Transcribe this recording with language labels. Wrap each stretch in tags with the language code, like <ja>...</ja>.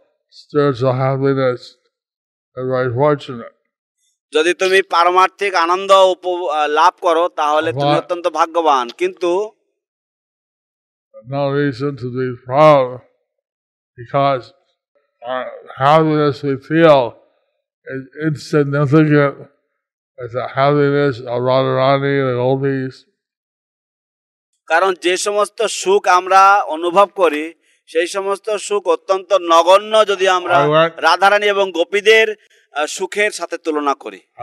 <en>Spiritual happiness and very fortunate.</en> <bn>যদি তুমি পারমার্থিক আনন্দ লাভ করো তাহলে তুমি অত্যন্ত ভাগ্যবান কিন্তু</bn> <en>no reason to be proud because our happiness we feel is insignificant as the happiness of Radharani and the gopis</en> <bn>কারণ যে সমস্ত সুখ আমরা অনুভব করি সেই সমস্ত সুখ অত্যন্ত নগণ্য যদি আমরা রাধারানী এবং গোপীদের সুখের সাথে তুলনা করি।</bn>